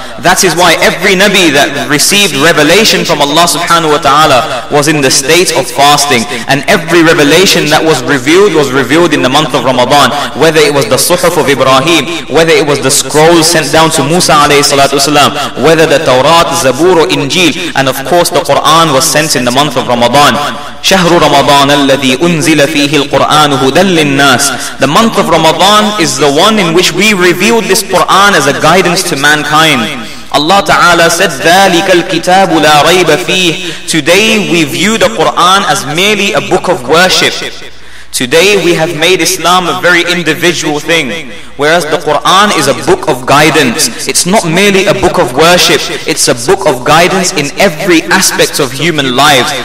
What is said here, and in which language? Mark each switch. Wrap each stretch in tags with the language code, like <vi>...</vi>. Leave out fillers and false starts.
<en>That is why every Nabi that received revelation from Allah Subhanahu Wa Ta'ala was in the state of fasting, and every revelation that was revealed in the month of Ramadan, whether it was the Suhuf of Ibrahim, whether it was the scrolls sent down to Musa alayhi salatu wasalam, whether the Tawrat, Zabur or Injil, and of course the Quran was sent in the month of Ramadan.</en> <ar>شهر رمضان الذي أنزل فيه القرآن هدى للناس.</ar> <en>The month of Ramadan is the one in which we revealed this Quran as a guidance to mankind.</en> <ar>Allah Ta'ala said, ذَلِكَ الْكِتَابُ لَا رَيْبَ فِيهِ.</ar> <en>Today we view the Quran as merely a book of worship. Today we have made Islam a very individual thing, whereas the Quran is a book of guidance. It's not merely a book of worship, it's a book of guidance in every aspect of human lives.</en>